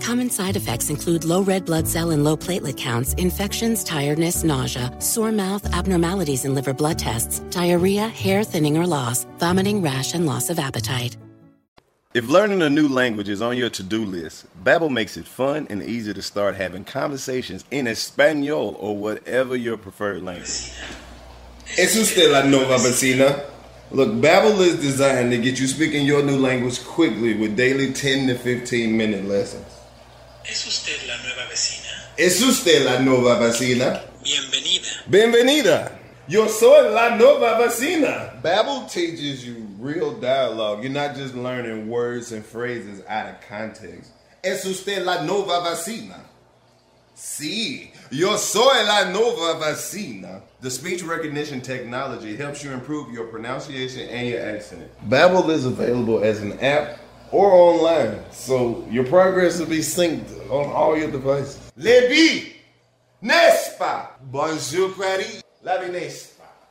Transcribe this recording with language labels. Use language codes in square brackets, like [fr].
[en] Common side effects include low red blood cell and low platelet counts, infections, tiredness, nausea, sore mouth, abnormalities in liver blood tests, diarrhea, hair thinning or loss, vomiting, rash, and loss of appetite. If learning a new language is on your to-do list, Babbel makes it fun and easy to start having conversations in Espanol or whatever your preferred language. [es] Es usted la nueva vecina? [en] Look, Babbel is designed to get you speaking your new language quickly with daily 10 to 15 minute lessons. [es] Es usted la nueva vecina? Es usted la nueva vecina? Bienvenida. Bienvenida. Yo soy la nueva vecina. [en] Babbel teaches you real dialogue. You're not just learning words and phrases out of context. [es] ¿Es usted la nueva vecina? Sí, yo soy la nueva vecina. [en] The speech recognition technology helps you improve your pronunciation and your accent. Babbel is available as an app or online, so your progress will be synced on all your devices. [fr] Le vi, n'est-ce-pas? Bonjour, Paris. La vi, n'est-ce-pas?